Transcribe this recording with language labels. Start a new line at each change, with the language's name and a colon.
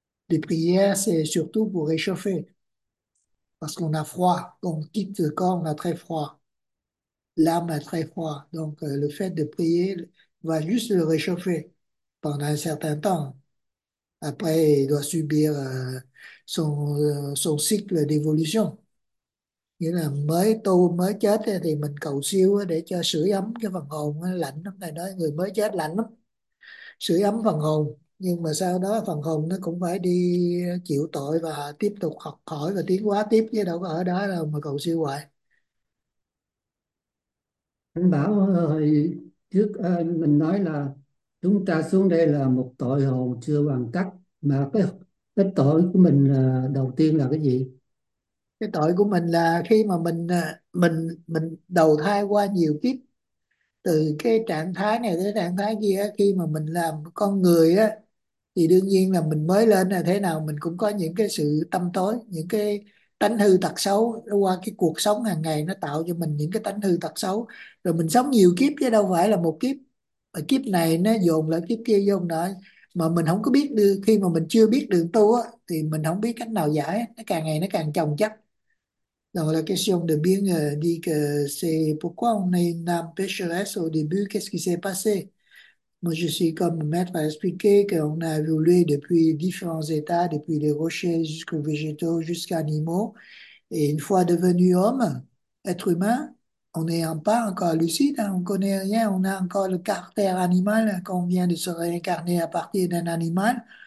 French: Les prières, c'est surtout pour réchauffer. Parce qu'on a froid. Quand on quitte le corps, on a très froid. L'âme a très froid. Donc, le fait de prier va juste le réchauffer pendant un certain temps. Après, il doit subir son cycle d'évolution.
Vietnamese: Nghĩa là mới tu mới chết thì mình cầu siêu để cho sưởi ấm cái phần hồn, nó lạnh lắm, này nói người mới chết lạnh lắm, sưởi ấm phần hồn, nhưng mà sau đó phần hồn nó cũng phải đi chịu tội và tiếp tục học hỏi và tiến hóa tiếp, chứ đâu có ở đó đâu mà cầu siêu hoài. Anh bảo hồi trước anh mình nói là chúng ta xuống đây là một tội hồn chưa hoàn tất, mà cái tội của mình đầu tiên là cái gì? Cái tội của mình là khi mà mình đầu thai qua nhiều kiếp, từ cái trạng thái này tới trạng thái kia, khi mà mình làm con người á thì đương nhiên là mình mới lên là thế nào mình cũng có những cái sự tâm tối, những cái tánh hư tật xấu, nó qua cái cuộc sống hàng ngày nó tạo cho mình những cái tánh hư tật xấu, rồi mình sống nhiều kiếp chứ đâu phải là một kiếp, kiếp này nó dồn lại kiếp kia dồn lại, mà mình không có biết được, khi mà mình chưa biết đường tu á thì mình không biết cách nào giải, nó càng ngày nó càng chồng chất.
French: Donc la question de bien dit que c'est pourquoi on est une âme pécheresse au début, qu'est-ce qui s'est passé? Moi, je suis comme maître à expliquer qu'on a évolué depuis différents états, depuis les rochers jusqu'aux végétaux, jusqu'aux animaux. Et une fois devenu homme, être humain, on n'est pas encore lucide, hein, on ne connaît rien, on a encore le caractère animal, qu'on vient de se réincarner à partir d'un animal.